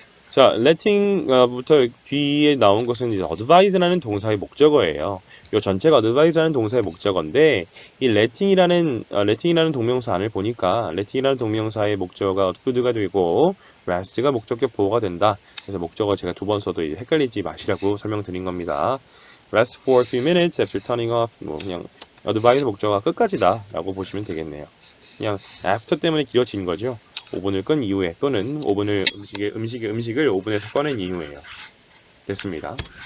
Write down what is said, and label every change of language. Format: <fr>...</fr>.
<ko>자, letting부터 뒤에 나온 것은 이제 advise라는 동사의 목적어예요. 이 전체가 advise라는 동사의 목적어인데, 이 letting이라는 동명사 안을 보니까, letting이라는 동명사의 목적어가 food가 되고, rest가 목적격 보호가 된다. 그래서 목적어 제가 두번 써도 이제 헷갈리지 마시라고 설명드린 겁니다.</ko> <en>Rest for a few minutes after turning off.</en> <ko>뭐 그냥 advise 목적어가 끝까지다라고 보시면 되겠네요. 그냥 after 때문에 길어진 거죠. 오븐을 끈 이후에 또는 오븐을 음식을 오븐에서 꺼낸 이후에요. 됐습니다.</ko>